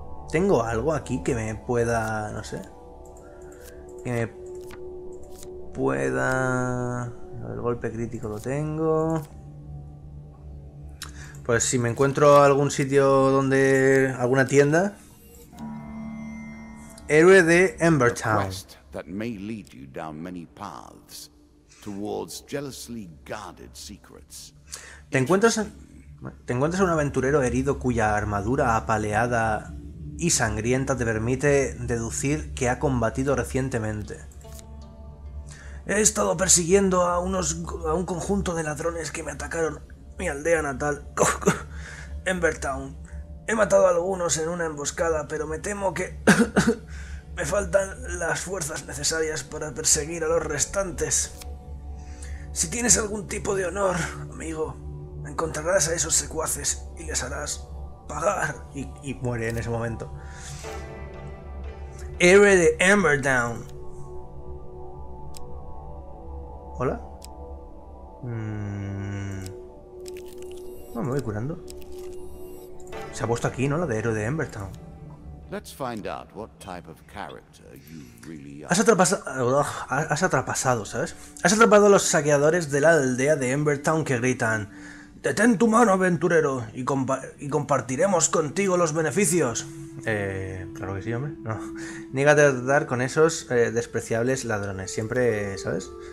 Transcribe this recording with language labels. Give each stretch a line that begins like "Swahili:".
Spanish: Tengo algo aquí que me pueda... No sé. Que me pueda... El golpe crítico lo tengo. Pues si me encuentro algún sitio donde... alguna tienda. Héroe de Embertown.
English: That may lead you down many paths towards jealously guarded secrets.
Spanish: ¿Te encuentras a un aventurero herido cuya armadura apaleada y sangrienta te permite deducir que ha combatido recientemente? He estado persiguiendo a un conjunto de ladrones que me atacaron mi aldea natal, Embertown. He matado a algunos en una emboscada, pero me temo que... me faltan las fuerzas necesarias para perseguir a los restantes. Si tienes algún tipo de honor, amigo, encontrarás a esos secuaces y les harás pagar. Y muere en ese momento. Héroe de Embertown. ¿Hola? No, me voy curando. Se ha puesto aquí, ¿no? La de héroe de Embertown.
English: Let's find out what type of character you really are.
Spanish: Has atrapado a los saqueadores de la aldea de Embertown que gritan: ¡Detén tu mano, aventurero! Y compartiremos contigo los beneficios. Claro que sí, hombre. No. Nígate a tratar con esos despreciables ladrones. Siempre, ¿sabes?